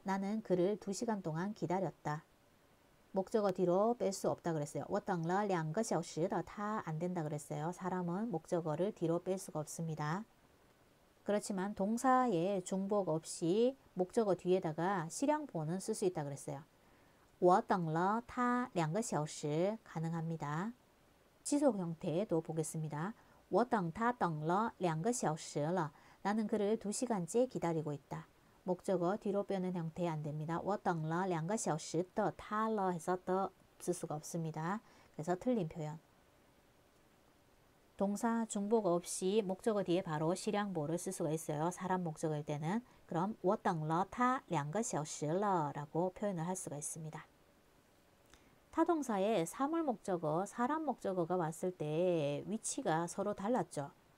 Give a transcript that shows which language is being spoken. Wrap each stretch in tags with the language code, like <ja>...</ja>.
<ko>나는 그를 2시간 동안 기다렸다. 목적어 뒤로 뺄수 없다 그랬어요.</ko> <zh>我等了2个小时的他.</zh> <ko>안 된다 그랬어요. 사람은 목적어를 뒤로 뺄 수가 없습니다. 그렇지만 동사에 중복 없이 목적어 뒤에다가 실향보는 쓸수 있다 그랬어요.</ko> <zh>我等了他2个小时</zh> <ko>가능합니다. 지속 형태도 보겠습니다.</ko> <zh>我等他等了2个小时了.</zh> <ko>나는 그를 2시간째 기다리고 있다. 목적어 뒤로 빼는 형태 안 됩니다.</ko> <zh>我等了2个小时的他了</zh> <ko>해서 더쓸 수가 없습니다. 그래서 틀린 표현. 동사 중복 없이 목적어 뒤에 바로 실향보를 쓸 수가 있어요. 사람 목적어일 때는. 그럼</ko> <zh>我等了他2个小时了</zh> <ko>라고 표현을 할 수가 있습니다. 타동사에 사물 목적어, 사람 목적어가 왔을 때 위치가 서로 달랐죠.</ko>